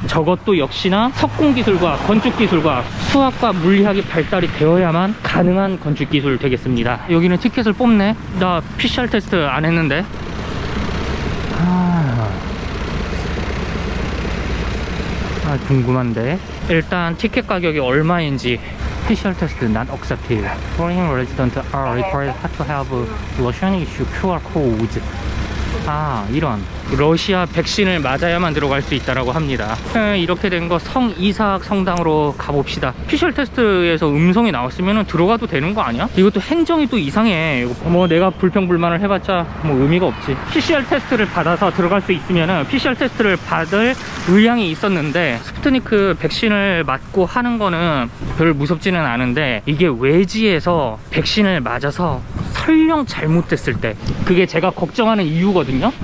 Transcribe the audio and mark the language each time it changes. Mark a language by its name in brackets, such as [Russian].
[Korean] 저것도 역시나 석공기술과 건축기술과 수학과 물리학이 발달이 되어야만 가능한 건축기술 되겠습니다. 여기는 티켓을 뽑네. 나 PCR 테스트 안 했는데. 아, 궁금한데. 일단 티켓 가격이 얼마인지. [English] PCR 테스트 not accepted. Foreign residents are required to have Russian issue QR code. [Korean] 아, 이런. 러시아 백신을 맞아야만 들어갈 수 있다라고 합니다. 이렇게 된 거 성이사악 성당으로 가봅시다. PCR 테스트에서 음성이 나왔으면 들어가도 되는 거 아니야? 이것도 행정이 또 이상해. 뭐 내가 불평불만을 해봤자 뭐 의미가 없지. PCR 테스트를 받아서 들어갈 수 있으면 PCR 테스트를 받을 의향이 있었는데, 스푸트니크 백신을 맞고 하는 거는 별 무섭지는 않은데, 이게 외지에서 백신을 맞아서 설령 잘못됐을 때, 그게 제가 걱정하는 이유거든요.